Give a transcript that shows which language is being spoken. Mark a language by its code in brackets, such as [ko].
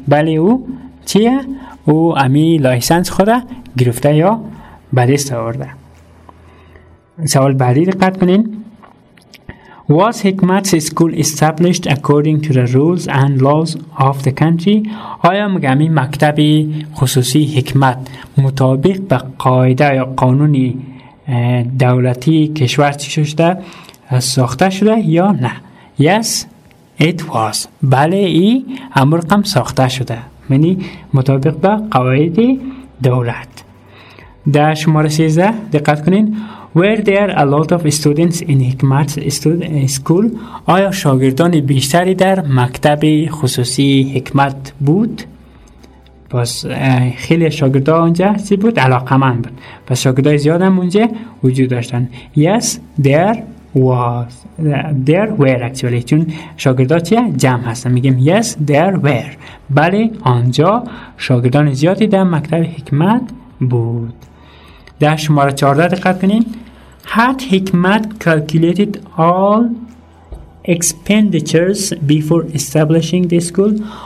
[fa] بله او چیه؟ او امی لایسنس خود گرفته یا به دست آورده. سوال بعدی دقت کنین [en] Was Hikmat's school established according to the rules and laws of the country? [fa] آیا مگمی مکتبی خصوصی حکمت مطابق به قاعده یا قانون دولتی کشور چی شده ساخته شده یا نه؟ [en] Yes, it was. [fa] بله ای امرقم ساخته شده. یعنی مطابق به قواعد دولت. در شماره 13 دقت کنین. [en] Were there a lot of students in Hikmat's school? [fa] آیا شاگردان بیشتری در مکتب خصوصی حکمت بود؟ پس خیلی شاگردان اونجا چی بود؟ علاقمند بود. پس شاگردان زیاد هم اونجا وجود داشتن. [en] Yes, there was. There were actually. [fa] چون شاگردان چیه؟ جمع هستن. [en] میگیم yes, there were. [fa] بله آنجا شاگردان زیادی در مکتب حکمت بود. در شماره 14 دقت کنین. [en] Had Hikmat calculated all expenditures before establishing the school?